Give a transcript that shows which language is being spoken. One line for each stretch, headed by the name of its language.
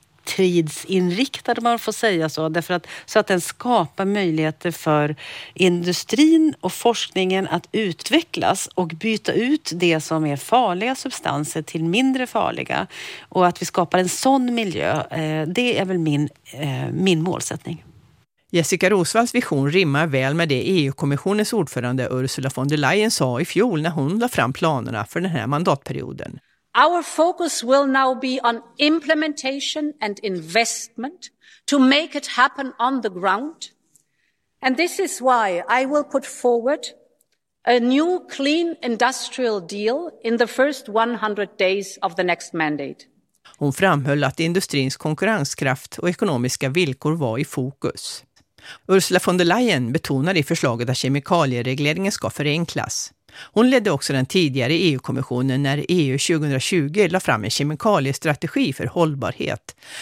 Swedish: framtidsinriktad, om man får säga så, därför att, så att den skapar möjligheter för industrin och forskningen att utvecklas och byta ut det som är farliga substanser till mindre farliga, och att vi skapar en sån miljö, det är väl min målsättning. Jessica Rosvalls vision rimmar väl med det EU-kommissionens ordförande Ursula von der Leyen sa i fjol när hon la fram planerna för den här mandatperioden.
English: Our focus will now be on implementation and investment to make it happen on the ground. And this is why I will put forward a new clean industrial deal in the first 100 days of the next mandate.
Swedish: Hon framhöll att industrins konkurrenskraft och ekonomiska villkor var i fokus. Ursula von der Leyen betonade i förslaget att kemikalieregleringen ska förenklas. Hon ledde också den tidigare EU-kommissionen när EU 2020 la fram en kemikaliestrategi för hållbarhet.